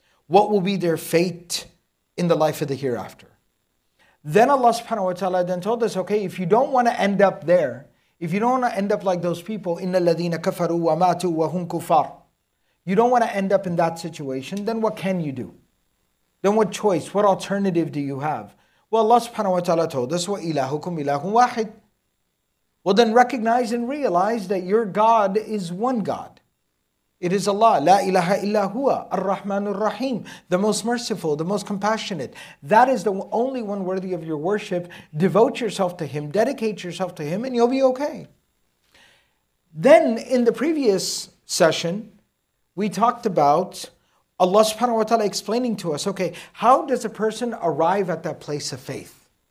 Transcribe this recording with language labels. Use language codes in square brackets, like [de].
[en] what will be their fate in the life of the hereafter. Then Allah subhanahu wa ta'ala then told us, okay, if you don't want to end up there, if you don't want to end up like those people, [ar] إِنَّ الَّذِينَ كَفَرُوا وَمَاتُوا وَهُمْ كُفَارٌ, [en] you don't want to end up in that situation, then what can you do? Then what choice, what alternative do you have? Well, Allah subhanahu wa ta'ala told us, [ar] وَإِلَهُكُمْ إِلَهٌ وَاحِدٌ. [en] Well, then recognize and realize that your God is one God. It is Allah. [ar] لا إله إلا هو الرحمن الرحيم. [en] The most merciful, the most compassionate. That is the only one worthy of your worship. Devote yourself to Him, dedicate yourself to Him, and you'll be okay. Then in the previous session, we talked about Allah subhanahu wa ta'ala explaining to us, okay, how does a person arrive at that place of faith?